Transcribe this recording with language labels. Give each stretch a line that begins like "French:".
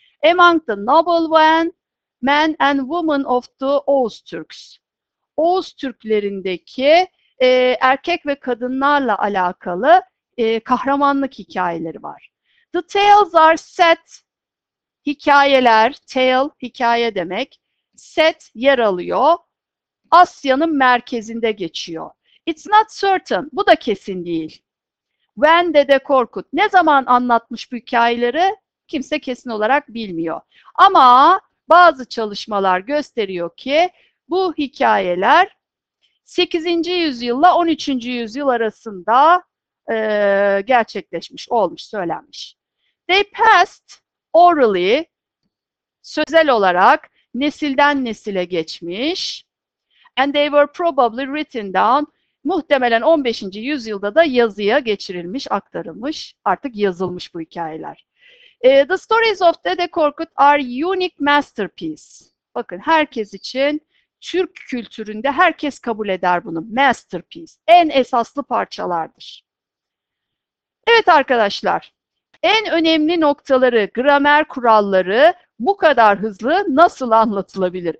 English: Among the Noble Men and Women of the Oğuz Türks.
Turkish: Oğuz Türklerindeki erkek ve kadınlarla alakalı kahramanlık hikayeleri var.
English: The tales are set.
Turkish: Hikayeler, tale, hikaye demek. Set yer alıyor. Asya'nın merkezinde geçiyor.
English: It's not certain.
Turkish: Bu da kesin değil. When Dede Korkut ne zaman anlatmış bu hikayeleri? Kimse kesin olarak bilmiyor. Ama bazı çalışmalar gösteriyor ki bu hikayeler 8. yüzyılla 13. yüzyıl arasında gerçekleşmiş, olmuş, söylenmiş.
English: They passed orally,
Turkish: sözel olarak nesilden nesile geçmiş.
English: And they were probably written down.
Turkish: Muhtemelen 15. yüzyılda da yazıya geçirilmiş, aktarılmış, artık yazılmış bu hikayeler.
English: The stories of Dede Korkut are unique masterpiece.
Turkish: Bakın herkes için, Türk kültüründe herkes kabul eder bunu. Masterpiece, en esaslı parçalardır. Evet arkadaşlar, en önemli noktaları, gramer kuralları bu kadar hızlı nasıl anlatılabilir?